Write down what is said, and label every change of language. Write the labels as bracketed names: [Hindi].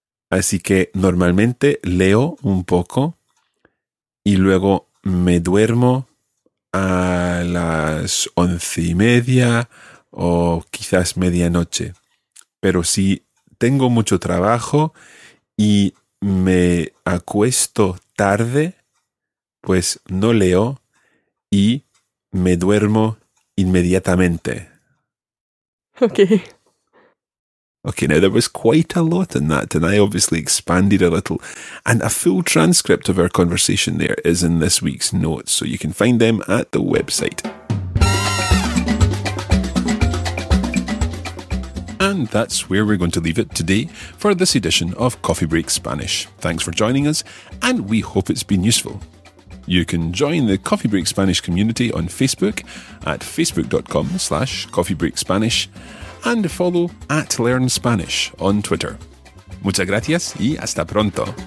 [Spanish] Así que normalmente leo un poco y luego me duermo a las 11:30 o quizás medianoche. Pero si tengo mucho trabajo y me acuesto tarde, pues no leo y me duermo inmediatamente. [English] Okay. Okay, now there was quite a lot in that, and I obviously expanded a little. And a full transcript of our conversation there is in this week's notes, so you can find them at the website. And that's where we're going to leave it today for this edition of Coffee Break Spanish. Thanks for joining us, and we hope it's been useful. You can join the Coffee Break Spanish community on Facebook at facebook.com/coffeebreakspanish. And follow at Learn Spanish on Twitter. [Spanish] Muchas gracias y hasta pronto.